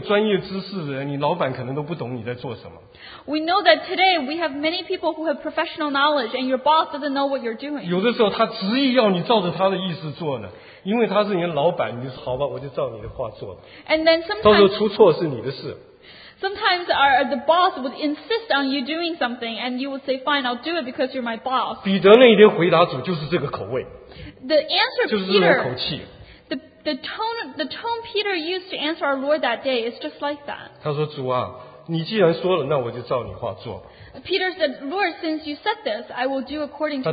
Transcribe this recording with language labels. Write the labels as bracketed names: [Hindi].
[Chinese] 我们知道今天我们很多很有专业知识的人，你老板可能都不懂你在做什么。 [English] We know that today we have many people who have professional knowledge, and your boss doesn't know what you're doing. [Chinese] 有的时候他执意要你照着他的意思做呢。因为他是你的老板, 你就好吧, 我就照你的话做了。 [English] And then sometimes, [Chinese] 到时候出错是你的事。 [English] Sometimes the boss would insist on you doing something, and you would say, fine, I'll do it because you're my boss. [Chinese] 彼得那一天回答主就是这个口味, [English] the answer [Chinese] 就是这个口气, [English] Peter, the tone Peter used to answer our Lord that day is just like that. [Chinese] 他说主啊, 你既然说了, 那我就照你话做吧。 [English] Peter said, Lord, since you said this, I will do according to